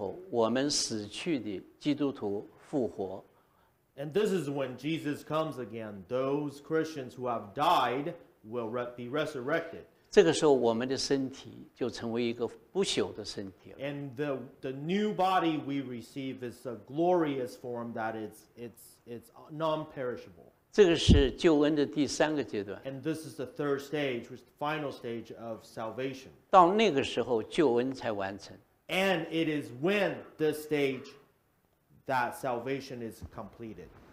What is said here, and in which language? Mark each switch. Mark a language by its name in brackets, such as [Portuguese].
[Chinese] 这就是主耶稣再来的时候，我们死去的基督徒复活。 [English] And this is when Jesus comes again. Those Christians who have died will be resurrected. [Chinese] 这个时候我们的身体就成为一个不朽的身体了。 [English] And the new body we receive is a glorious form that it's non-perishable. [Chinese] 这个是救恩的第三个阶段。 [English] And this is the third stage, which is the final stage of salvation. [Chinese] 到那个时候救恩才完成。 [English] And it is when this stage that salvation is completed.